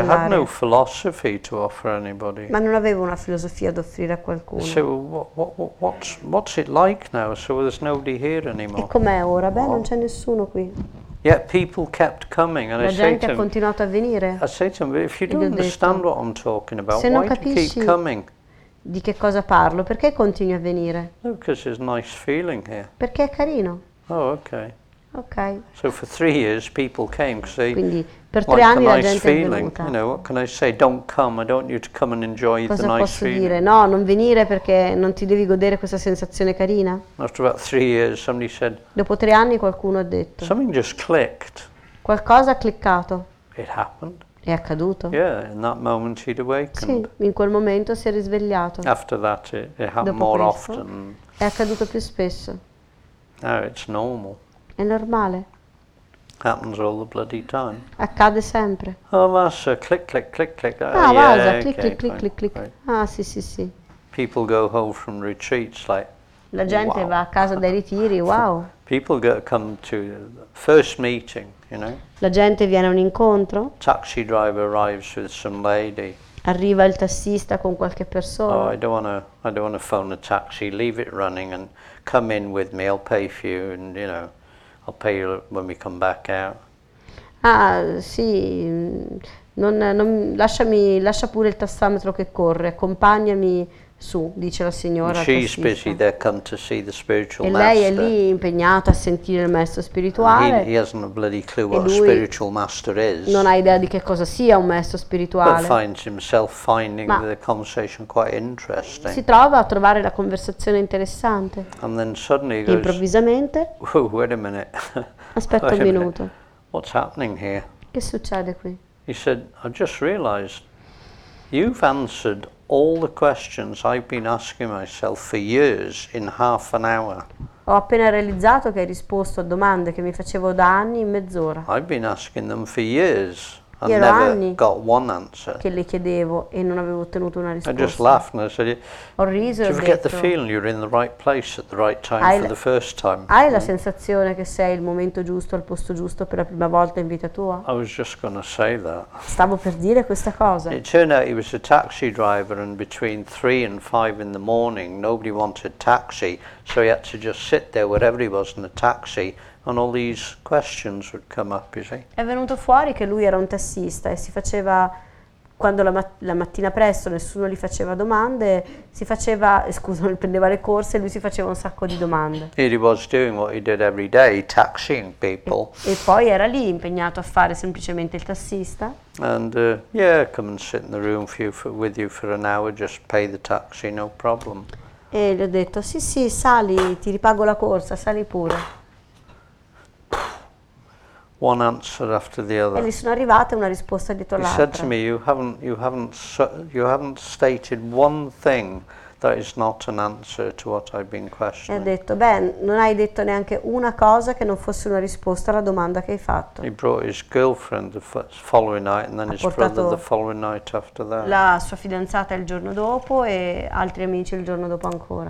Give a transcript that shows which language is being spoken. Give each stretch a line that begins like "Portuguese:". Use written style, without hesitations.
English: But I had no philosophy to offer anybody.
Italian: Ma non avevo una filosofia da offrire a qualcuno.
English: So what's it like now? So there's nobody here anymore.
Italian: E com'è ora? Beh, non c'è nessuno qui.
English: Yet people kept coming, and
Italian: la gente ha continuato a venire.
English: I say to them, if you don't understand what I'm talking about, why do you keep coming?
Italian: Di che cosa parlo? Perché continui a venire?
English: Because it's a nice feeling here.
Italian: Perché è carino.
English: Oh, okay. Okay. So for 3 years people came to say,
Italian: quindi per tre anni
English: nice
Italian: la gente
English: feeling,
Italian: è venuta.
English: You know, what can I say? Don't come. I don't want you to come and enjoy
Italian: cosa
English: the nice feeling.
Italian: Cosa posso dire? No, non venire perché non ti devi godere questa sensazione carina.
English: After about 3 years somebody said.
Italian: Dopo tre anni qualcuno ha detto.
English: Something just clicked.
Italian: Qualcosa ha cliccato.
English: It happened.
Italian: È accaduto.
English: Yeah, in that moment he'd awakened.
Italian: Sì, in quel momento si è risvegliato.
English: After that it happened
Italian: dopo
English: more
Italian: questo,
English: often.
Italian: È accaduto più spesso.
English: Now it's normal.
Italian: È normale.
English: Happens all the bloody time.
Italian: Accade sempre.
English: Oh, Avasa, click, click, click, click. Ah, yeah, Avasa, yeah, click, okay, click, click, click.
Italian: Ah, sì, sì, sì.
English: People go home from retreats like.
Italian: La gente
English: wow.
Italian: Va a casa dai ritiri, wow.
English: People go come to the first meeting, you know.
Italian: La gente viene a un incontro.
English: Taxi driver arrives with some lady.
Italian: Arriva il tassista con qualche persona.
English: Oh, I don't wanna phone a taxi. Leave it running and come in with me. I'll pay for you and, you know. I'll pay you when we come back out.
Italian: Ah, sì, non lasciami, lascia pure il tassametro che corre, accompagnami su, dice la signora.
English: She's busy there, come to see the spiritual master.
Italian: E lei è lì impegnata a sentire il maestro spirituale.
English: He hasn't a bloody clue what a spiritual master is.
Italian: Non ha idea di che cosa sia un maestro spirituale.
English: But finds himself finding the conversation quite interesting.
Italian: Si trova a trovare la conversazione interessante.
English: And then suddenly goes,
Italian: improvvisamente.
English: Oh, wait a minute.
Italian: Aspetta un minuto.
English: What's happening here?
Italian: Che succede qui?
English: He said, I just realized you've answered all the questions I've been asking myself for years in half an hour.
Italian: Ho appena realizzato che hai risposto a domande che mi facevo da anni in mezz'ora.
English: I've been asking them for years and never got one answer.
Italian: Che le chiedevo e non avevo ottenuto una risposta.
English: I just laughed and I said,
Italian: ho riso,
English: did you forget the feeling you're in the right place at the right time for the first time?
Italian: Hai la sensazione che sei il momento giusto al posto giusto per la prima volta in vita tua?
English: I was just going to say that.
Italian: Stavo per dire questa cosa.
English: It turned out he was a taxi driver and between 3 and 5 in the morning nobody wanted taxi, so he had to just sit there wherever he was in the taxi. And all these questions would come up, you see.
Italian: È venuto fuori che lui era un tassista e si faceva, quando la mattina presto nessuno gli faceva domande, si faceva, prendeva le corse e lui si faceva un sacco di domande.
English: And he was doing what he did every day, taxiing people.
Italian: E poi era lì impegnato a fare semplicemente il tassista.
English: And yeah, come and sit in the room with you for an hour, just pay the taxi, no problem.
Italian: E gli ho detto, sì sì, sali, ti ripago la corsa, sali pure.
English: One answer after the other.
Italian: E gli sono arrivate una risposta dietro l'altra.
English: He said to me, you haven't stated one thing that is not an answer to what I've been questioning.
Italian: E ha detto, beh, non hai detto neanche una cosa che non fosse una risposta alla domanda che hai fatto.
English: He brought his girlfriend the following night and then his brother the following night after that.
Italian: La sua fidanzata il giorno dopo e altri amici il giorno dopo ancora.